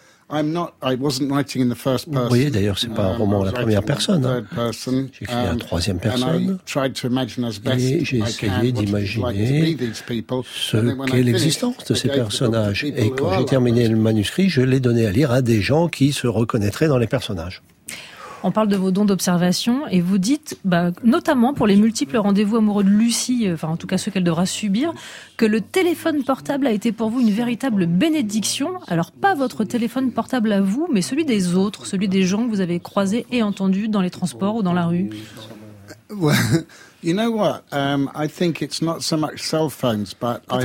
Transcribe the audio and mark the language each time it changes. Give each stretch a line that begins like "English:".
English: I wasn't writing in the first person.
French: Vous voyez, d'ailleurs, c'est pas un roman à la première personne. J'ai écrit à la troisième personne. Et j'ai essayé d'imaginer ce qu'est l'existence de ces personnages. Et quand j'ai terminé le manuscrit, je l'ai donné à lire à des gens qui se reconnaîtraient dans les personnages. On parle de vos dons d'observation et vous dites, notamment pour les multiples rendez-vous amoureux de Lucie, enfin en tout cas ceux qu'elle devra subir, que le téléphone portable a été pour vous une véritable bénédiction. Alors pas votre téléphone portable à vous, mais celui des autres, celui des gens que vous avez croisés et entendus dans les transports ou dans la rue.
English: Well, you know what? I think it's not so much cell phones, but